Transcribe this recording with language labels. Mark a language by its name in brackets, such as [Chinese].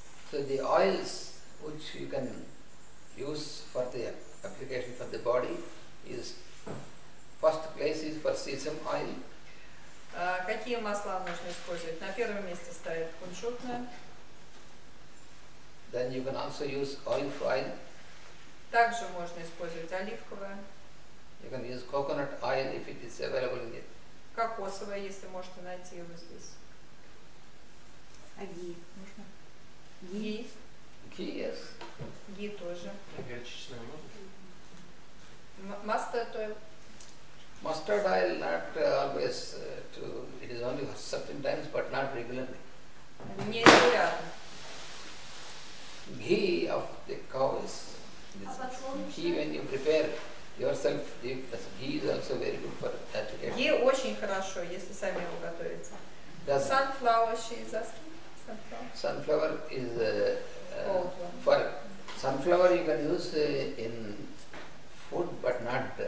[English] So the oils which you can use for the application for the body is, first place is for sesam oil. [Russian] Какие масла нужно использовать? На первом месте стоит кунжутное. [English] Then you can also use olive oil. [Russian] Также можно использовать оливковое. [English] You can use coconut oil if it is available in it. [Russian] Кокосовое, если можете найти его здесь. А ги можно? [English] Ги, yes. [Russian] Ги тоже. Горчичное масло. [English] Mustard oil. Mustard oil not always to. It is only certain times, but not regularly. [Russian] Не регулярно. [English] Ghee of the cow is. Ghee when you prepare yourself, ghee is also very good for that. [Russian] Ghee очень хорошо, если сами его готовите. [English] Sunflower, she is asking. Sunflower is for sunflower you can use in food, but not.